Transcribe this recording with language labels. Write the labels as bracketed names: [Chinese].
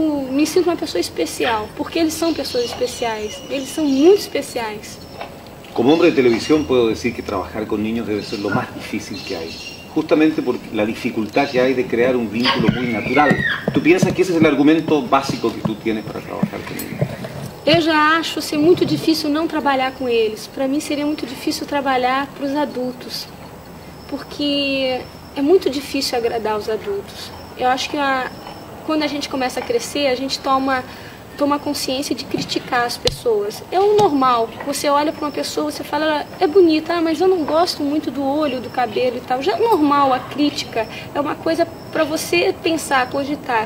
[Portuguese] Me sinto uma pessoa especial, porque eles são pessoas especiais. Eles são muito especiais. Como homem de televisão, posso dizer que trabalhar com niños deve ser o mais difícil que há. [Spanish] Justamente por la dificultad que hay de crear un vínculo muy natural. ¿Tú piensas que ese es el argumento básico que tú tienes para trabajar con ellos? Yo ya acho ser muy difícil no trabajar con ellos. Para mí sería muy difícil trabajar para los adultos, porque es muy difícil agradar a los adultos. [Portuguese] Yo acho que [Spanish] cuando a gente comienza a crecer, [Portuguese] a gente toma consciência de criticar as pessoas. É o normal. Você olha para uma pessoa, você fala, é bonita, mas eu não gosto muito do olho, do cabelo e tal. Já é normal a crítica. É uma coisa para você pensar, cogitar.